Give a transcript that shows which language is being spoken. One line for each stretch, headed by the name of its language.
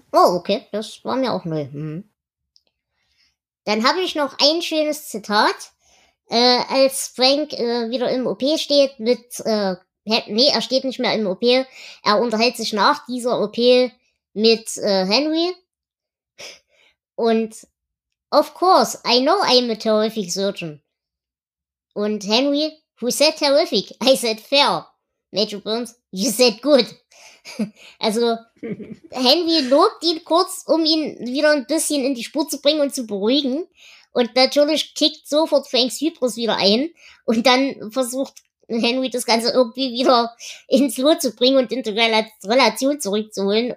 German: Oh, okay, das war mir auch neu. Dann habe ich noch ein schönes Zitat. Als Frank wieder im OP steht mit, nee, er steht nicht mehr im OP, er unterhält sich nach dieser OP mit Henry. Und,
English: of course, I know I'm a terrific surgeon.
German: Und
English: Henry, who said terrific? I said fair. Major Burns, you said good.
German: Also, Henry lobt ihn kurz, um ihn wieder ein bisschen in die Spur zu bringen und zu beruhigen. Und natürlich kickt sofort Franks Hybris wieder ein. Und dann versucht Henry das Ganze irgendwie wieder ins Lot zu bringen und in die Relation zurückzuholen.